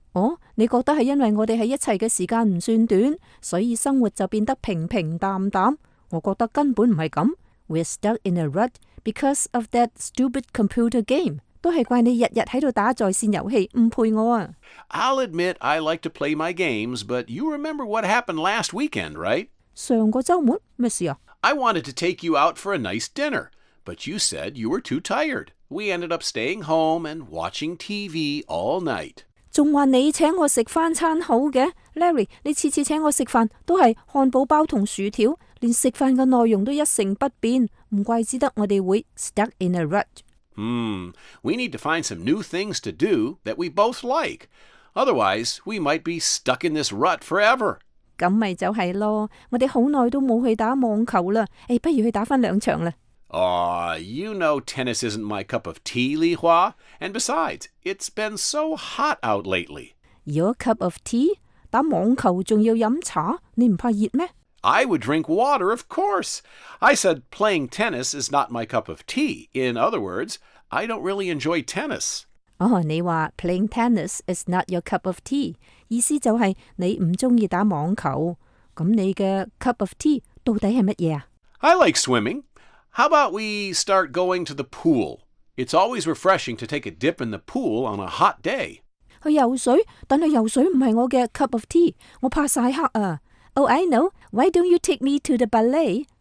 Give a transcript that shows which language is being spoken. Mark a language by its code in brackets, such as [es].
[yue] 哦，你觉得系因为我哋喺一齐嘅时间唔算短，所以生活就变得平平淡淡？我觉得根本唔系咁。 [en] We're stuck in a rut because of that stupid computer game. [yue] 都系怪你日日喺度打在线游戏，误配我啊 [en] ！I'll admit I like to play my games, but you remember what happened last weekend, right? [yue] 上个周末咩事啊 [en] ？I wanted to take you out for a nice dinner, but you said you were too tired. We ended up staying home and watching TV all night. [yue] 仲话你请我食翻餐好嘅 ，Larry， 你次次请我食饭都系汉堡包同薯条，连食饭嘅内容都一成不变，唔怪之得我哋会 [en] stuck in a rut。 We need to find some new things to do that we both like. Otherwise, we might be stuck in this rut forever. [yue] 咁咪就係囉，我哋好耐都冇去打网球啦，不如去打返两场啦。 [en] Aw, you know tennis isn't my cup of tea, Li Hua. And besides, it's been so hot out lately. Your cup of tea? [yue] 打网球仲要飲茶？你唔怕熱咩？ [en] I would drink water, of course. I said playing tennis is not my cup of tea. In other words, I don't really enjoy tennis. Oh, [yue] 你话 [en] playing tennis is not your cup of tea. [yue] 意思就系你唔中意打网球。咁你嘅 [en] cup of tea [yue] 到底系乜嘢啊 [en] ？I like swimming. How about we start going to the pool? It's always refreshing to take a dip in the pool on a hot day. [yue] 去游水，但系游水唔系我嘅 [en] cup of tea. [yue] 我怕晒黑啊。 [en] Oh, I know. Why don't you take me to the ballet?